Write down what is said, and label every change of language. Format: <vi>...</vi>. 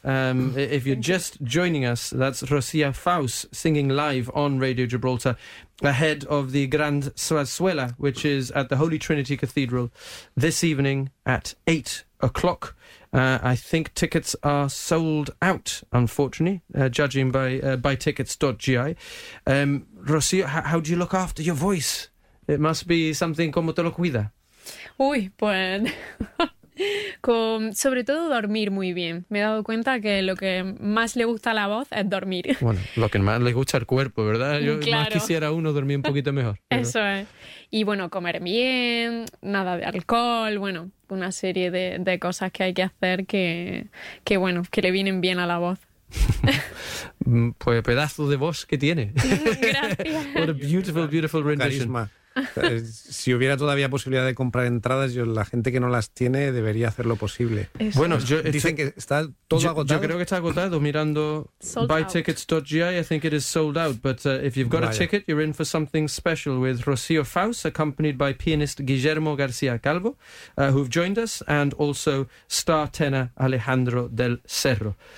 <en>If you're just joining us, that's Rocío Faust singing live on Radio Gibraltar ahead of the Grand Zarzuela, which is at the Holy Trinity Cathedral this evening at 8 o'clock. I think tickets are sold out, unfortunately, judging by buytickets.gi. Rocío, how do you look after your voice? It must be something</en> <es>como te lo cuida. Uy, pues, con, sobre todo dormir muy bien. Me he dado cuenta que lo que más le gusta a la voz es dormir. Bueno, lo que más le gusta al cuerpo, ¿verdad? Yo claro. Más quisiera uno dormir un poquito mejor. Pero... Eso es. Y bueno, comer bien, nada de alcohol, bueno, una serie de cosas que hay que hacer que bueno, que le vienen bien a la voz. Pues pedazo de voz que tiene. Gracias.</es> <en>What a beautiful, beautiful rendition.</en> <es>Carisma. Si hubiera todavía posibilidad de comprar entradas, yo, la gente que no las tiene debería hacer lo posible. Eso. Bueno, yo, dicen que está todo agotado. Yo creo que está agotado. Mirando</es> <en>buytickets.gi, I think it is sold out. But if you've got a ticket, you're in for something special with Rocío Faust, accompanied by pianist Guillermo García Calvo, who've joined us, and also star tenor Alejandro del Cerro.</en>